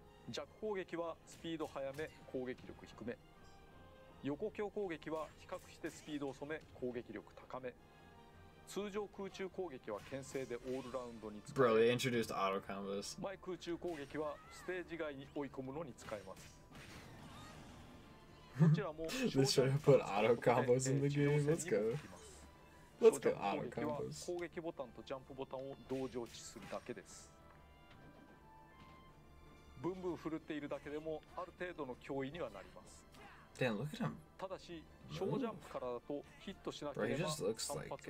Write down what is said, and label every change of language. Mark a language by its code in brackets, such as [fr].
[ja] 弱攻撃はスピード早め、攻撃力低め。横強攻撃は比較してスピード遅め、攻撃力高め。通常空中攻撃は牽制でオールラウンドに使 [en] え、 Bro, they introduced auto combos. [ja] 前空中攻撃はステージ外に追い込むのに使えます。こちらも [en] This should have put auto combos in the game. Let's go. Let's go auto combos. [ja] 攻撃ボタンとジャンプボタンを同時置するだけです。ブンブン振るっているだけでもある程度の脅威にはなります。 [en] Damn, look at him. [ja] ただし、ショージャンプからだとヒットしなければ 3発